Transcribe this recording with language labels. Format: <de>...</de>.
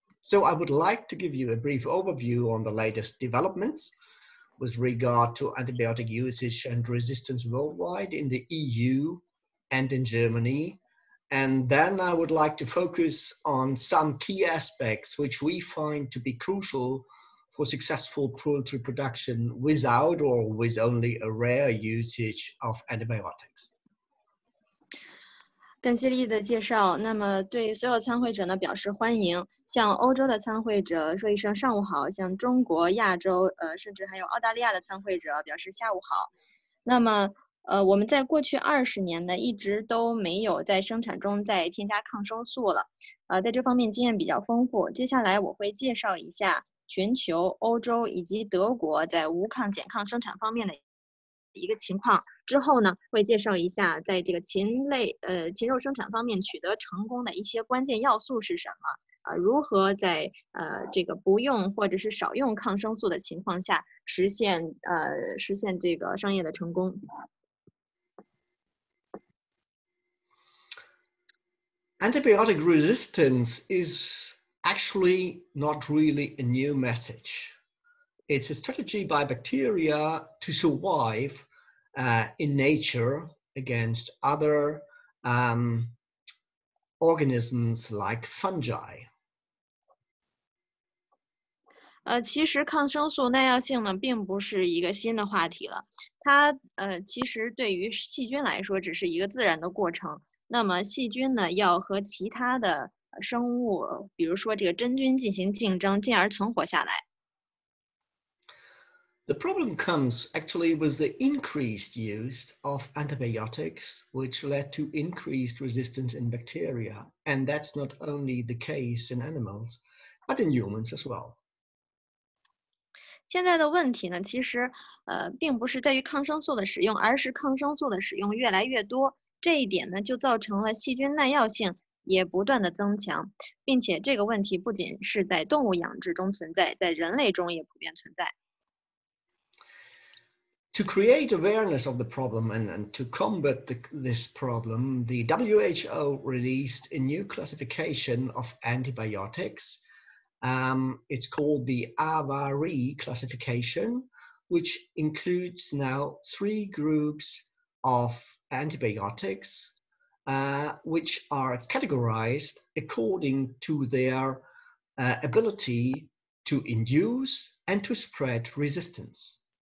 <en>So I would like to give you a brief overview on the latest developments with regard to antibiotic usage and resistance worldwide in the EU and in Germany. And then I would like to focus on some key aspects which we find to be crucial for successful poultry production without or with only a rare usage of antibiotics.</en> <zh>感谢丽丽的介绍，那么对所有参会者呢表示欢迎，向欧洲的参会者说一声上午好，向中国、亚洲甚至还有澳大利亚的参会者表示下午好。那么我们在过去20年呢一直都没有在生产中再添加抗生素了，在这方面经验比较丰富。接下来我会介绍一下全球、欧洲以及德国在无抗减抗生产方面的一个情况，之后呢会介绍一下在这个禽肉生产方面取得成功的一些关键要素是什么，如何在这个不用或者是少用抗生素的情况下实现这个商业的成功。</zh> <en>Antibiotic resistance is actually not really a new message. It's a strategy by bacteria to survive in nature against other organisms like fungi.</en> <zh>其实抗生素耐药性呢并不是一个新的话题了，它其实对于细菌来说只是一个自然的过程。那么细菌呢要和其他的生物比如说这个真菌进行竞争进而存活下来。</zh> <en>The problem comes actually with the increased use of antibiotics, which led to increased resistance in bacteria. And that's not only the case in animals, but in humans as well.</en> <zh>现在的问题呢，其实并不是在于抗生素的使用，而是抗生素的使用越来越多。这一点呢，就造成了细菌耐药性也不断的增强，并且这个问题不仅是在动物养殖中存在，在人类中也普遍存在。</zh> <en>To create awareness of the problem and to combat this problem, the WHO released a new classification of antibiotics. It's called the AVARI classification, which includes now three groups of antibiotics, which are categorized according to their ability to induce and to spread resistance.</en>